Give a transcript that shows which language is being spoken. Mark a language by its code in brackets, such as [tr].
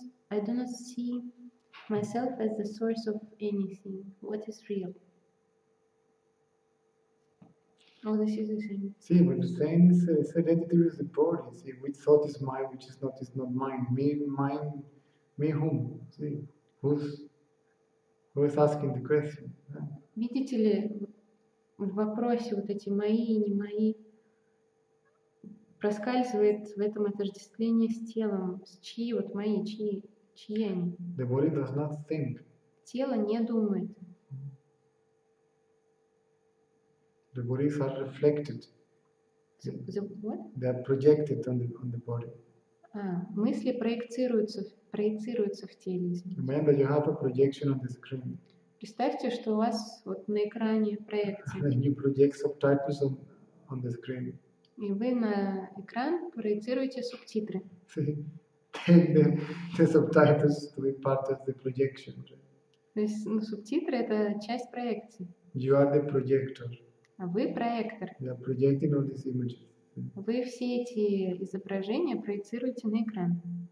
[en] I do not see myself as the source of anything. What is real? Oh, this is the same. See, what you're saying is it's identity with the body. See, which thought is mine, which is not mine. Me, mine, Me whom? See, who is asking the question? [ru] Видите ли, в вопросе вот эти мои и не мои проскальзывает в этом отождествление с телом. С чьи вот мои, чьи они? [en] The body does not think. [ru] Тело не думает. [en] The bodies are reflected. What? They are projected on the body. [ru] Мысли проецируются в теле. [en] Remember, you have a projection on the screen. [ru] Представьте, что у вас вот на экране проекция. [en] And you project subtitles on the screen. [ru] И вы на экран проецируете субтитры. [en] The subtitles to be part of the projection. [ru] То есть, ну, субтитры — это часть проекции. [en] You are the projector. [ru] А вы проектор. [en] You are projecting all these images. [ru] Вы все эти изображения проецируете на экран.